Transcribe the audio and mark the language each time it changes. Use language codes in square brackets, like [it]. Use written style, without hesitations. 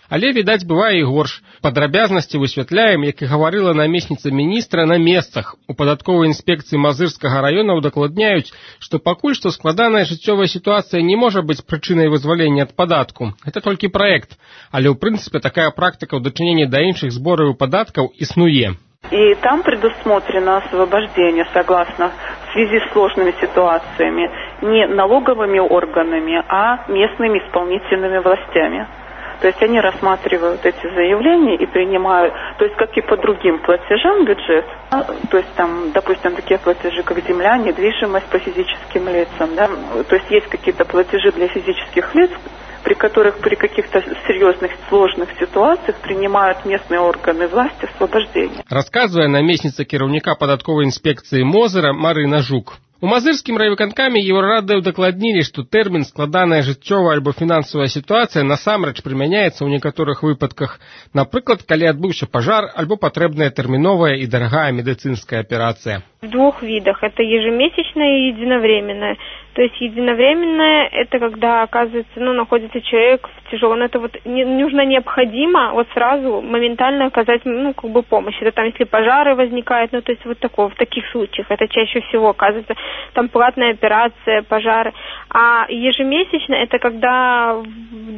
[be] Але, відаць, бывае і горш. Падрабязнасці высвятляем, як і гаварыла намесніца міністра, на месцах. У падатковай інспекцыі Мазырскага раёна ўдакладняюць, што пакуль што складаная жыццёвая сітуацыя не можа быць прычынай вызвалення ад падатку. Гэта толькі праект. Але, ў прынцыпе, такая практыка ў дачыненні да іншых збораў і падаткаў існуе. [ru] И там предусмотрено освобождение, согласно, в связи с сложными ситуациями, не налоговыми органами, а местными исполнительными властями. То есть они рассматривают эти заявления и принимают, то есть как и по другим платежам бюджет, то есть там, допустим, такие платежи, как земля, недвижимость по физическим лицам, да, то есть какие-то платежи для физических лиц, при которых при каких-то серьезных сложных ситуациях принимают местные органы власти освобождение. [be] Рассказывая наместница керовника податковой инспекции Мозыра Марина Жук. У Мазырскім райвыканкамі Еўрарадыё дакладнілі, што тэрмін «складаная жыццёвая альбо фінансавая сітуацыя» насамрэч прымяняецца ў некаторых выпадках, напрыклад, калі адбыўся пажар альбо патрэбная тэрміновая і дарагая медыцынская аперацыя. В двух відах. [ru] Это ежемесячная и единовременная. То есть единовременная – это когда, оказывается, ну, находится человек в тяжелом. Это вот нужно необходимо вот сразу моментально оказать, ну, как бы помощь. Это там, если пожары возникают, ну, то есть вот такого, в таких случаях. Это чаще всего оказывается там платная операция, пожары. А ежемесячная – это когда в